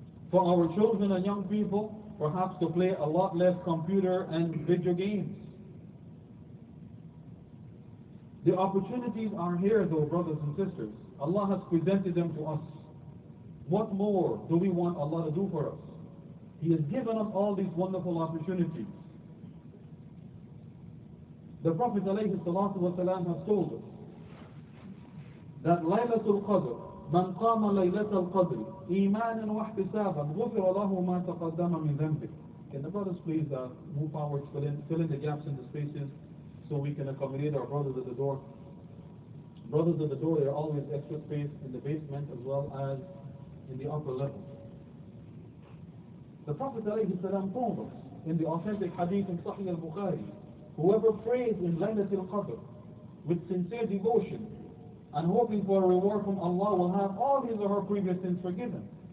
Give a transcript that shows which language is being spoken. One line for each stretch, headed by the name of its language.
English: For our children and young people, perhaps to play a lot less computer and video games. The opportunities are here though, brothers and sisters. Allah has presented them to us. What more do we want Allah to do for us? He has given us all these wonderful opportunities. The Prophet ﷺ has told us that Laylatul Qadr,
Arabic: من قام ليلة القدر إيمانا واحتسابا غفر له ما تقدم من ذنبه.
English: Can the brothers please move forward, fill in the gaps in the spaces so we can accommodate our brothers at the door. Brothers at the door, there are always extra space in the basement as well as in the upper level. The Prophet
Arabic: عليه السلام
English: told us in the authentic hadith in Sahih al-Bukhari, whoever prays in Laylatul Qadr with sincere devotion and hoping for a reward from Allah will have all his or her previous sins forgiven.